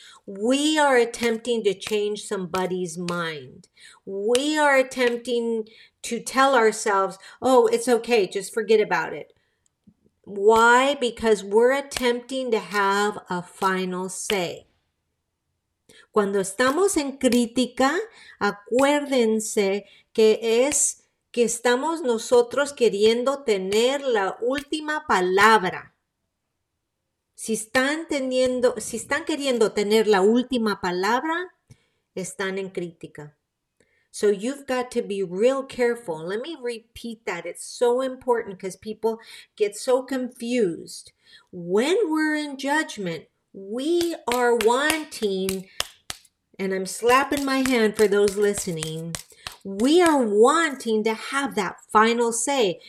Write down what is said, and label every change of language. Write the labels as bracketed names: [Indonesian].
[English] We are attempting to change somebody's mind. We are attempting to tell ourselves, oh, it's okay, just forget about it. Why? Because we're attempting to have a final say. [Spanish] Cuando estamos en crítica, acuérdense que es que estamos nosotros queriendo tener la última palabra. Si están queriendo tener la última palabra, están en crítica. [English] So you've got to be real careful. Let me repeat that. It's so important because people get so confused. When we're in judgment, we are wanting, and I'm slapping my hand for those listening, we are wanting to have that final say.